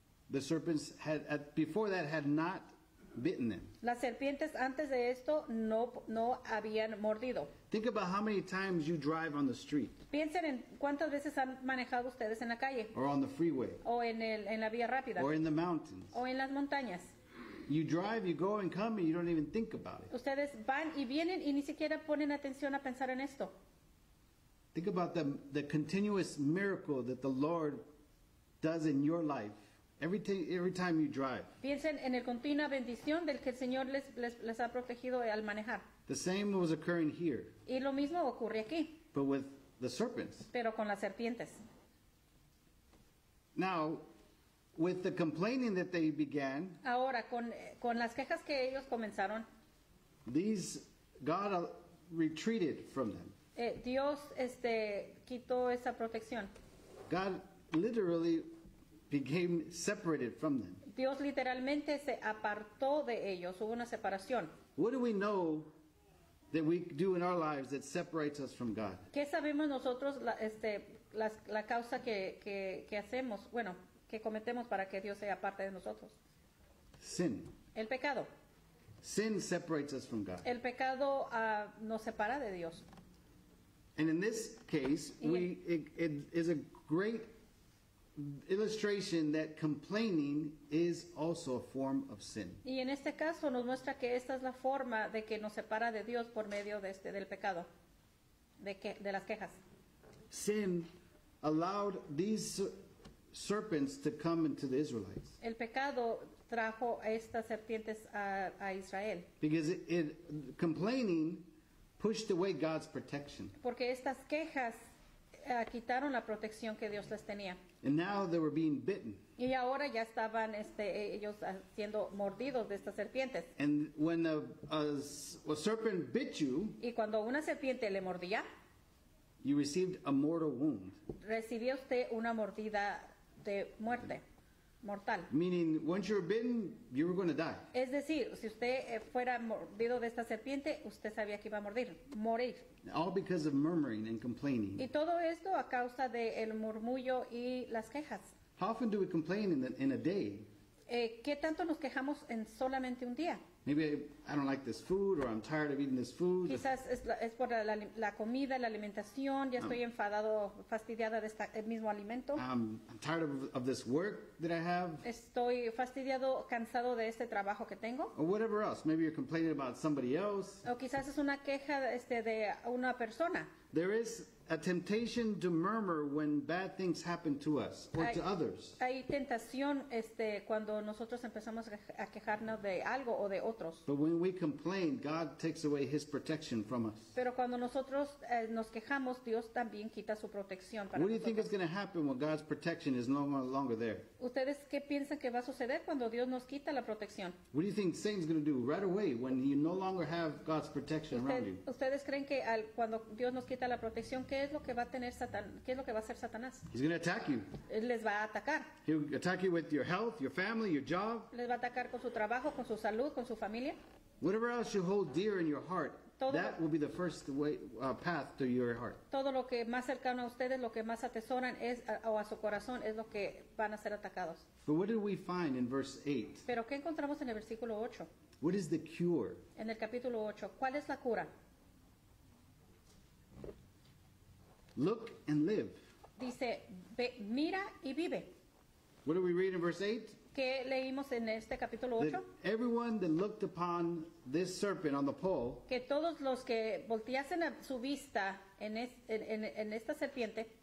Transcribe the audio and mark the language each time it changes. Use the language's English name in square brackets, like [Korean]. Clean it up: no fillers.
[English] The serpents had before that had not bitten them. [Spanish] Las serpientes antes de esto no habían mordido. [English] Think about how many times you drive on the street. [Spanish] Piensen en cuántas veces han manejado ustedes en la calle. [English] Or on the freeway. [Spanish] O en la vía rápida. [English] Or in the mountains. [Spanish] O en las montañas. [English] You drive, you go and come, and you don't even think about it. [Spanish] Ustedes van y vienen y ni siquiera ponen atención a pensar en esto. [English] Think about the continuous miracle that the Lord does in your life every time you drive. [Spanish] Piensen en el continua bendición del que el Señor les ha protegido al manejar. [English] The same was occurring here. [Spanish] Y lo mismo ocurre aquí. [English] But with the serpents. [Spanish] Pero con las serpientes. [English] Now, with the complaining that they began, [Spanish] ahora con las quejas que ellos comenzaron, [English] these God retreated from them. [Spanish] Dios quitó esa protección. [English] God literally became separated from them. [Spanish] Dios literalmente se apartó de ellos. Hubo una separación. [English] What do we know that we do in our lives that separates us from God? [Spanish] ¿Qué sabemos nosotros la causa que hacemos? Bueno, que cometemos para que Dios sea parte de nosotros. [English] Sin. [Spanish] El pecado. [English] Sin separates us from God. [Spanish] El pecado nos separa de Dios. [English] And in this case, it is a great illustration that complaining is also a form of sin. [Spanish] Y en este caso nos muestra que esta es la forma de que nos separa de Dios por medio de del pecado, de las quejas. [English] Sin allowed these serpents to come into the Israelites. [Spanish] El pecado trajo estas serpientes a Israel. [English] Because complaining pushed away God's protection. [Spanish] Porque estas quejas quitaron la protección que Dios les tenía. [English] And now they were being bitten. [Spanish] Y ahora ya estaban ellos siendo mordidos de estas serpientes. [English] And when a serpent bit you, [Spanish] y cuando una serpiente le mordía, [English] you received a mortal wound. [Spanish] Recibió usted una mordida de muerte, mortal. [English] Meaning, once you were bitten, you were going to die. [Spanish] Es decir, si usted fuera mordido de esta serpiente, usted sabía que iba a morir. [English] All because of murmuring and complaining. [Spanish] Y todo esto a causa del murmullo y las quejas. [English] How often do we complain in a day? [Spanish] ¿Qué tanto nos quejamos en solamente un día? [English] Maybe I don't like this food, or I'm tired of eating this food. [Spanish] Quizás es por la comida, la alimentación. Ya estoy enfadado, fastidiada de este mismo alimento. [English] I'm tired of this work that I have. [Spanish] Estoy fastidiado, cansado de este trabajo que tengo. [English] Or whatever else. Maybe you're complaining about somebody else. [Spanish] O quizás es una queja de una persona. [English] There is a temptation to murmur when bad things happen to us or to others. [Spanish] Hay tentación cuando nosotros empezamos a quejarnos de algo o de otros. [English] But when we complain, God takes away His protection from us. [Spanish] Pero cuando nosotros nos quejamos, Dios también quita su protección para nosotros. [English] What do you think is going to happen when God's protection is no longer there? [Spanish] ¿Ustedes qué piensan que va a suceder cuando Dios nos quita la protección? [English] What do you think Satan's going to do right away when you no longer have God's protection around you? [Spanish] ¿Ustedes creen que cuando Dios nos quita la protección, ¿qué es lo que va a tener Satan? ¿Qué es lo que va a hacer Satanás? [English] He's going to attack you. [Spanish] Él les va a atacar. [English] He'll attack you with your health, your family, your job. [Spanish] Les va a atacar con su trabajo, con su salud, con su familia. [English] Whatever else you hold dear in your heart. [Spanish] todo [English] that will be the first way, path to your heart. [Spanish] Todo lo que más cercano a ustedes, lo que más atesoran es o a su corazón es lo que van a ser atacados. [English] But what do we find in verse 8? [Spanish] Pero qué encontramos en el versículo 8? [English] What is the cure? [Spanish] En el capítulo 8, ¿cuál es la cura? [English] Look and live. [Spanish] Dice, ve, mira y vive. [English] What do we read in verse 8? [Spanish] ¿Qué leímos en este capítulo 8? [English] Everyone that looked upon this serpent on the pole. [Spanish] Que todos los que volteasen a su vista en, es, en esta serpiente.